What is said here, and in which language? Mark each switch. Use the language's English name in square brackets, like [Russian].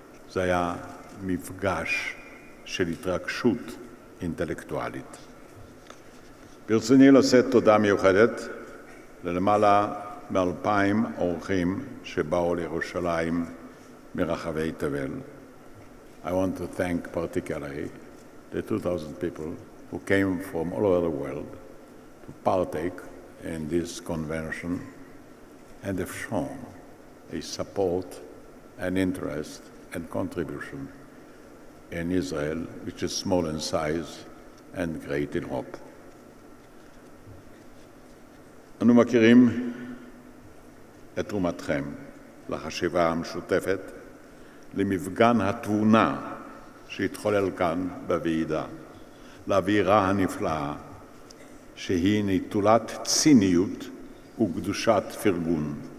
[Hebrew] זה היה מפגש של התרגשות אינטלקטואלית. ברצוני לשאת תודה מיוחדת ללמעלה מ-2,000 אורחים שבאו לירושלים מרחבי תבל. [English] I want to thank particularly the 2,000 people who came from all over the world to partake in this convention and have shown a support and interest and contribution in Israel, which is small in size and great in hope. [Hebrew] אנו מכירים את תרומתכם לחשיבה המשותפת, למפגן התבונה שהתחולל כאן בוועידה, לאווירה הנפלאה שהיא נטולת ציניות וקדושת פרגון.